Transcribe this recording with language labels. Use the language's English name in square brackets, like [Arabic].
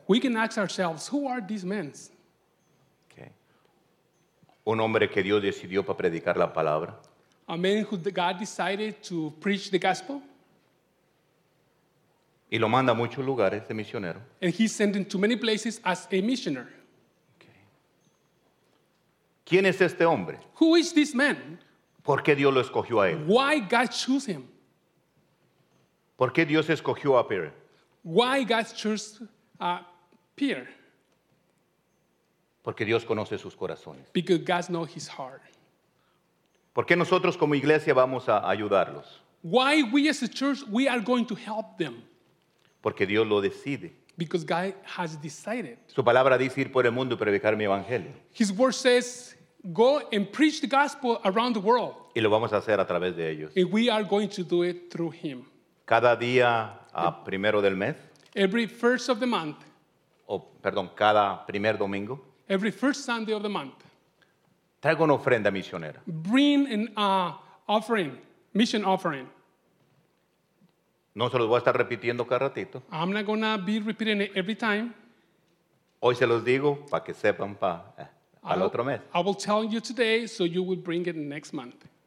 [English] We can ask ourselves Who are these men? [Spanish] Un hombre que Dios decidió para predicar la palabra. [English] A man who God decided to preach the gospel. [Spanish] Y lo manda a muchos lugares de misionero. [English] And he sent him to many places as a missioner. Okay. [Spanish] ¿Quién es este hombre? [English] Who is this man? [Spanish] ¿Por qué Dios lo escogió a él? [English] Why God chose him? [Spanish] ¿Por qué Dios escogió a Peter? [English] Why God chose Peter? [Spanish] Porque Dios conoce sus corazones. [English] Because God knows his heart. [Spanish] ¿Por qué nosotros como iglesia vamos a ayudarlos? [English] Why we as a church we are going to help them? [Spanish] Porque Dios lo decide. [English] Because God has decided. [Spanish] Su palabra dice ir por el mundo y predicar mi evangelio. [English] His word says go and preach the gospel around the world. [Spanish] Y lo vamos a hacer a través de ellos. [English] And we are going to do it through him. [Spanish] Cada día a primero del mes. [English] Every first of the month. [Spanish] Cada primer domingo. [English] Every first Sunday of the month. [Spanish] Traigo una ofrenda misionera. [English] Bring an offering, mission offering. [Spanish] No se los voy a estar repitiendo cada ratito. [English] I'm not going to be repeating it every time. [Spanish] Hoy se los digo para que sepan al otro mes. [English] I will tell you today so you will bring it next month.